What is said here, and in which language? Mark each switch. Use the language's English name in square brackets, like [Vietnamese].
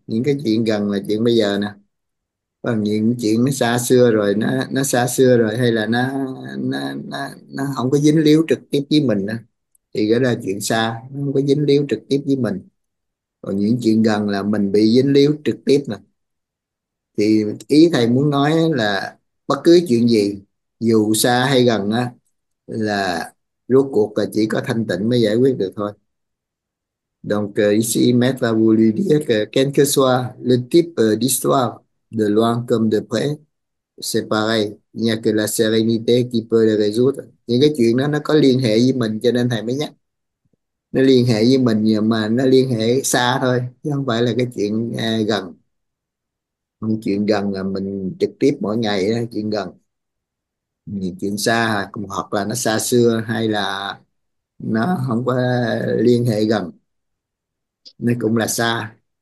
[Vietnamese] Những cái chuyện gần là chuyện bây giờ nè, còn những chuyện nó xa xưa rồi, nó xa xưa rồi, hay là nó không có dính líu trực tiếp với mình nữa, thì đó là chuyện xa, nó không có dính líu trực tiếp với mình. Còn những chuyện gần là mình bị dính líu trực tiếp nè. Thì ý thầy muốn nói là bất cứ chuyện gì dù xa hay gần á, là rốt cuộc là chỉ có thanh tịnh mới giải quyết được thôi. [French] Donc ici maître vous lui dire que quel que soit le type d'histoire, de loin comme de près, c'est pareil, il n'y a que la sérénité qui peut le résoudre. [Vietnamese] Những cái chuyện đó nó có liên hệ với mình cho nên thầy mới nhắc. Nó liên hệ với mình nhưng mà nó liên hệ xa thôi, chứ không phải là cái chuyện gần. Chuyện gần là mình trực tiếp mỗi ngày đó, chuyện gần. Những chuyện xa cũng hoặc là nó xa xưa hay là nó không có liên hệ gần, nó cũng là xa.